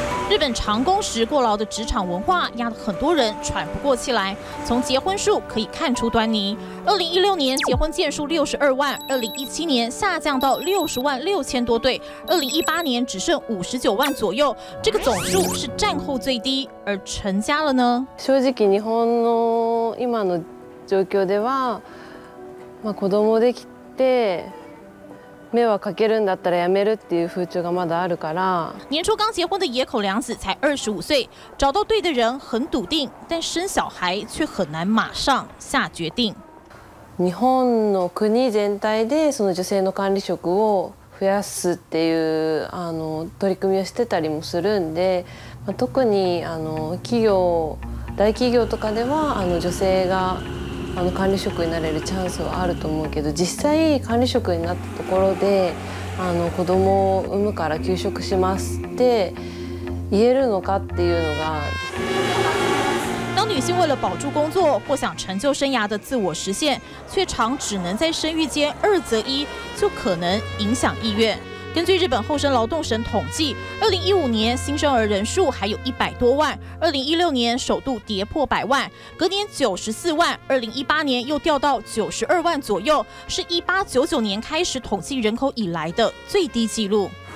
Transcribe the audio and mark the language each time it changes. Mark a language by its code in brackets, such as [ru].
[zh] 日本长工时过劳的职场文化压得很多人喘不过气来，从结婚数可以看出端倪。 2016年结婚件数62万，2017年下降到60万6000多对，2018年只剩59万左右，这个总数是战后最低。而成家了呢？ [ja] 正直日本の今の状況では、まあ、子供できて。迷惑かけるんだったらやめるっていう風潮がまだあるから。 [zh] 年初刚结婚的野口良子才25岁，找到对的人很笃定，但生小孩却很难马上下决定。 [ja] 日本の国全体でその女性の管理職を増やすっていうあの取り組みをしてたりもするんで、特にあの企業大企業とかではあの女性が。あの管理職になれるチャンスはあると思うけど、実際管理職になったところで子供を産むから休職しますって言えるのかっていうのが。 [zh] 当女性为了保住工作或想成就生涯的自我实现，却常只能在生育间二择一，就可能影响意愿。根据日本厚生劳动省统计，2015年新生儿人数还有100多万，2016年首度跌破100万，隔年94万，2018年又掉到92万左右，是1899年开始统计人口以来的最低纪录。